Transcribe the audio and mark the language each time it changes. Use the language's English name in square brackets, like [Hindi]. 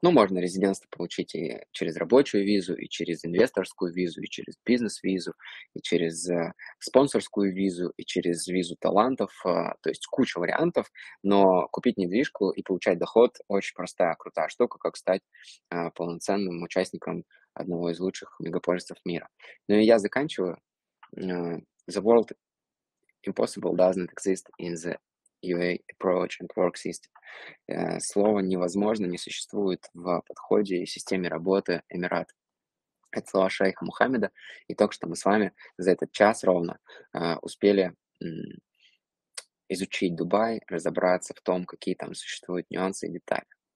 [Russian] Ну, можно резидентство получить и через рабочую визу, и через инвесторскую визу, и через бизнес-визу, и через спонсорскую визу, и через визу талантов. То есть куча вариантов, но купить недвижку и получать доход – очень простая, крутая штука, как стать полноценным участником одного из лучших мегаполисов мира. Ну, и я заканчиваю. [English] The world impossible doesn't exist in the UA approach and work system. [Russian] Слово «невозможно» не существует в подходе и системе работы Эмират. Это слова шейха Мухаммеда. И только что мы с вами за этот час ровно успели изучить Дубай, разобраться в том, какие там существуют нюансы и детали.